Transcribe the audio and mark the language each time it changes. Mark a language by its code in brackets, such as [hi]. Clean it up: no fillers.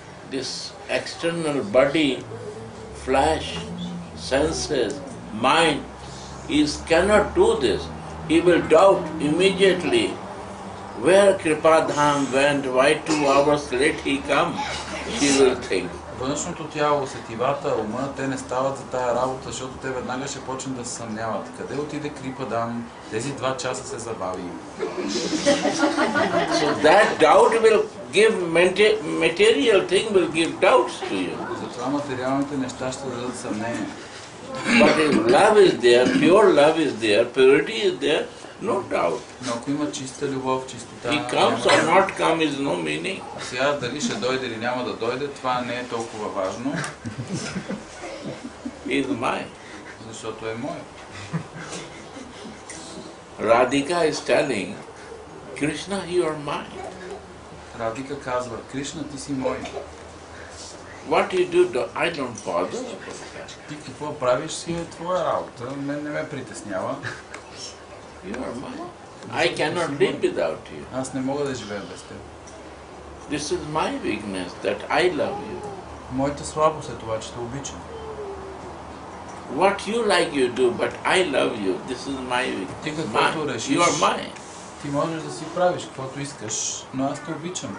[en] This external body, flesh, senses, mind, cannot do this. He will doubt immediately. Where Kripa Dham went, why 2 hours late he come, he will think. [bg] Външното тяло, сетивата, умът, те не стават за тая работа, защото те веднага ще почнат да се съмняват. Къде отиде Kripa Dham? Тези 2 часа се забави. [en] So that doubt will give material thing will give doubts to you. [bg] Затова материалните неща ще дадат съмнение. [en] But if love is there, pure love is there, purity is there, no doubt. [bg] Но ако има чиста любов, чистота. [en] He comes or not come is no meaning. [bg] Сега дали ще дойде или няма да дойде, това не е толкова важно. [en] Is mine. [bg] Защото е мое. [en] Radhika is telling, Krishna, you are mine. [bg] Radhika казва, Кришна, ти си мой. [en] What you do, I don't bother. [bg] Ти какво правиш си е твоя работа, мен не ме притеснява. [en] I cannot live without you. [bg] Аз не мога да живея без теб. [en] This is my weakness that I love you. [bg] Моята слабост е това, че те обичам. [en] What you like you do, but I love you. This is my weakness. [bg] Ти каквото решиш, [en] you are mine. [bg] Ти можеш да си правиш каквото искаш, но аз те обичам.